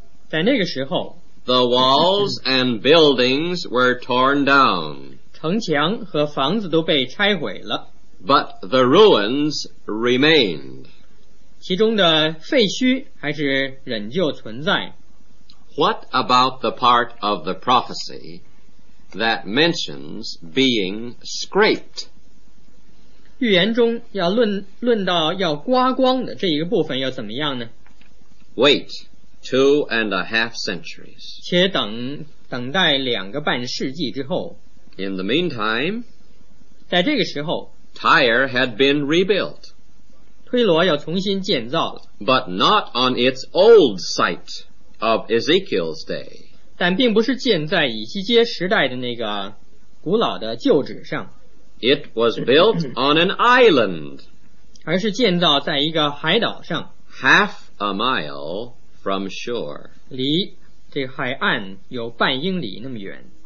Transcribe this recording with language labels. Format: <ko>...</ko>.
<zh>在那个时候</zh> <en>The walls and buildings were torn down</en> <zh>城墙和房子都被拆毁了</zh> <en>But the ruins remained</en> <zh>其中的废墟还是仍旧存在。</zh> <en>What about the part of the prophecy that mentions being scraped?</en> <zh>预言中要 论到要刮光的这一个部分要怎么样呢？</zh> <en>Wait two and a half centuries.</en> <zh>且 等待两个半世纪之后。</zh> <en>In the meantime,</en> <zh>在这个时候，</zh> <en>Tyre had been rebuilt.</en> <zh>推罗要重新建造了，</zh> <en>But not on its old site of Ezekiel's day.</en> <zh>但并不是建在以西结时代的那个古老的旧址上。</zh> <en>It was built on an island.</en> <zh>而是建造在一个海岛上。</zh> <en>Half a mile from shore.</en> <zh>离这个海岸有半英里那么远。</zh>